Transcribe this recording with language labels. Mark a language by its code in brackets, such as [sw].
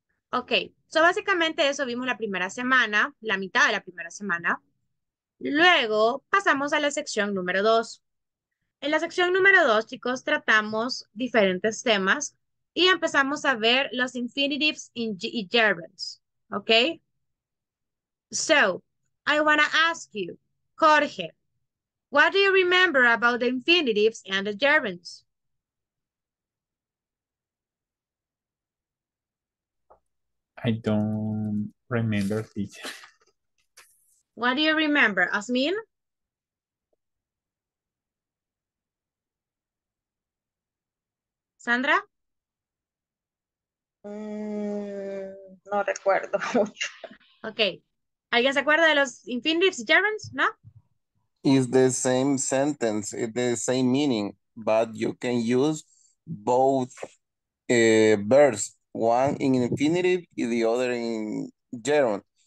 [es] Ok, so básicamente eso vimos la primera semana, la mitad de la primera semana. Luego pasamos a la sección número 2. En la sección número 2, chicos, tratamos diferentes temas y empezamos a ver los infinitives y gerunds, ¿ok? [en] So, I want to ask you, Jorge, what do you remember about the infinitives and the gerunds? I don't remember, teacher. What do you remember, Asmin? Sandra? [es] No recuerdo mucho. [en] Okay. [es] ¿Alguien se acuerda de los infinitives y gerunds? No? [en] It's the same sentence, it's the same meaning, but you can use both verbs. One in infinitive and the other in gerund.